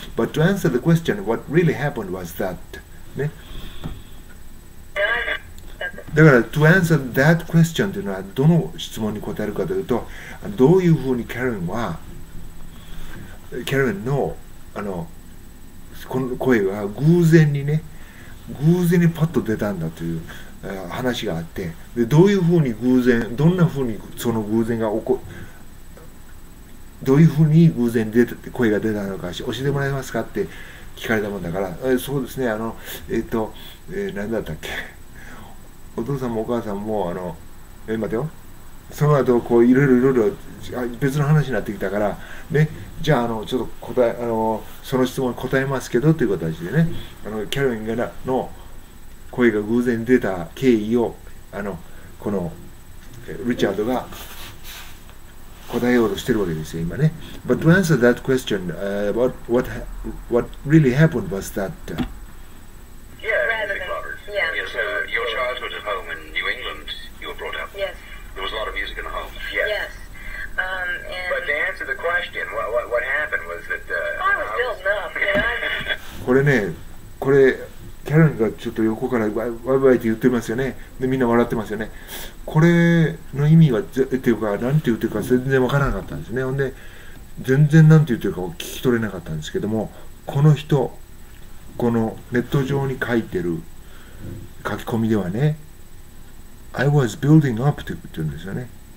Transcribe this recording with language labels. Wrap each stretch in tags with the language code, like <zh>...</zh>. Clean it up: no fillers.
<en>But to answer the question what really happened was that ね。</en> <ja>だから、</ja> <en>to answer that question</en> <ja>というのは、どの質問に答えるかというと、どういうふうにカレンは、カレンの、あの、この声が偶然にね、偶然にパッと出たんだという話があって、で、どういうふうに偶然、どんなふうにその偶然が起こ、どういうふうに偶然に出て声が出たのか、教えてもらえますかって聞かれたもんだから、そうですね、あの、何だったっけ。お父さんもお母さんもあの、待てよ、その後こういろいろいろいろ別の話になってきたからね、じゃ あ, あのちょっと答え、あのその質問に答えますけどという形でね、あのキャロンがの声が偶然出た経緯をあのこのリチャードが答えようとしてるわけですよ今ね。</ja> <en>But to answer that question,、what really happened was that、 your childhood at home in New England, you were brought up. Yes. There was a lot of music in the home. Yes. But to answer the question, what happened was that、 I was building up.</en> <ja>これね、これキャロンがちょっと横からワイワイって言ってますよね。でみんな笑ってますよね。これの意味はっていうか何て言ってるか全然わからなかったんですね。ほんで全然何て言ってるかを聞き取れなかったんですけども、この人このネット上に書いてる書き込みではね、</ja> <en>I was building up</en> <ja>って言うんですよね。</ja>